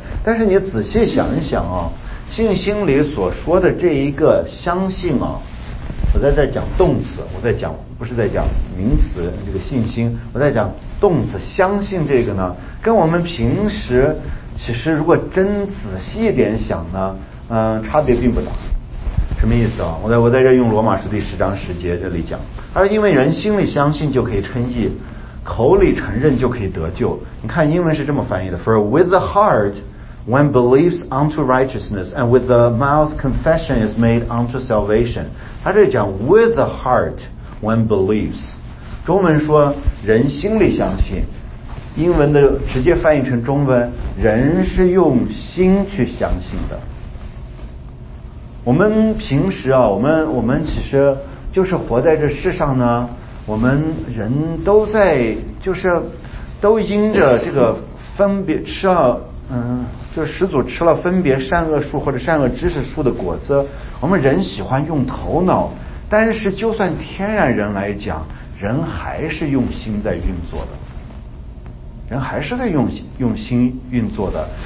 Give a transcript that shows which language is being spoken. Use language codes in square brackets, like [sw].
[zh] 但是你仔细想一想啊，信心里所说的这一个相信啊，我在讲动词，我在讲不是在讲名词这个信心，我在讲动词相信这个呢，跟我们平时其实如果真仔细一点想呢，差别并不大。什么意思啊？我在这用罗马书第十章十节这里讲，他说因为人心里相信就可以称义，口里承认就可以得救。你看英文是这么翻译的 [en] ：For with the heart one believes unto righteousness, and with the mouth confession is made unto salvation。 [zh] 他这讲 [en] with the heart one believes， [zh] 中文说人心里相信，英文的直接翻译成中文，人是用心去相信的。我们平时啊，我们其实就是活在这世上呢，我们人都在就是都因着这个分别吃了，就始祖吃了分别善恶树或者善恶知识树的果子，我们人喜欢用头脑，但是就算天然人来讲，人还是用心在运作的，人还是在用心运作的。